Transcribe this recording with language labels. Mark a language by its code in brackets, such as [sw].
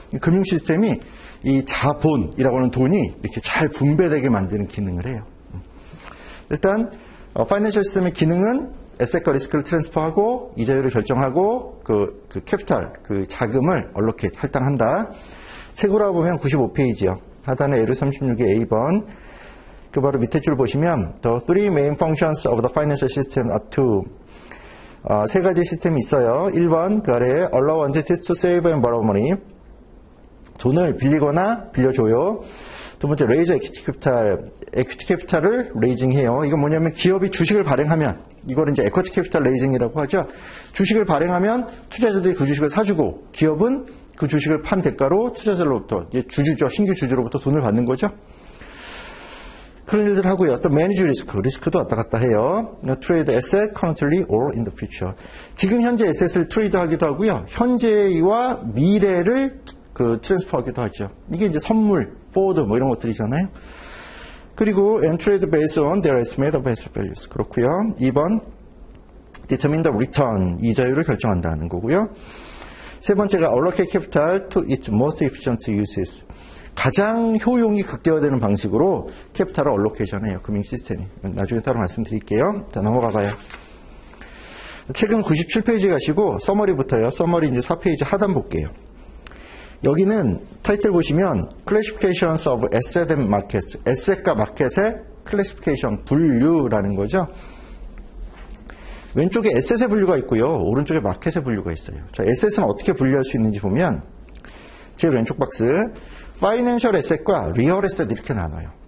[ko] 금융 시스템이 이 자본이라고 하는 돈이 이렇게 잘 분배되게 만드는 기능을 해요. 일단 파이낸셜 시스템의 기능은 에셋과 리스크를 트랜스퍼하고 이자율을 결정하고 그 캐피탈, 그 자금을 얼로케이트 할당한다. 책으로 보면 95페이지요. 하단에 L36이 A번. 그 바로 밑에 줄 보시면 [en] The three main functions of the financial system are two. [ko] 세 가지 시스템이 있어요. 1번 그 아래에 [en] Allow entities to save and borrow money. [ko] 돈을 빌리거나 빌려줘요. 두 번째 [en] Raise equity capital. Equity capital을 raising 해요. [ko] 이건 뭐냐면 기업이 주식을 발행하면, 이걸 이제 equity capital raising이라고 하죠. 주식을 발행하면 투자자들이 그 주식을 사주고 기업은 그 주식을 판 대가로 투자자로부터, 주주죠. 신규 주주로부터 돈을 받는 거죠. 그런 일들을 하고요. 또 매니저 리스크도 왔다 갔다 해요. [en] Trade asset currently or in the future. [ko] 지금 현재 asset을 트레이드 하기도 하고요. 현재와 미래를 그 트랜스퍼 하기도 하죠. 이게 이제 선물, 보드 뭐 이런 것들이잖아요. 그리고 [en] and trade based on their estimate of asset values. [ko] 그렇고요. 2번 [en] determine the return, [ko] 이자율을 결정한다는 거고요. 세 번째가 [en] allocate capital to its most efficient uses. [ko] 가장 효용이 극대화되는 방식으로 캐피탈을 얼로케이션 해요. 금융 시스템이. 나중에 따로 말씀드릴게요. 자, 넘어가 봐요. 책은 97페이지 가시고 서머리부터요. 서머리 이제 4페이지 하단 볼게요. 여기는 타이틀 보시면 [en] Classifications of Asset and Markets. [ko] 에셋과 마켓의 클래시피케이션, 분류라는 거죠. 왼쪽에 에셋의 분류가 있고요. 오른쪽에 마켓의 분류가 있어요. 자, 에셋은 어떻게 분류할 수 있는지 보면 제일 왼쪽 박스 파이낸셜 에셋과 리얼 에셋 이렇게 나눠요.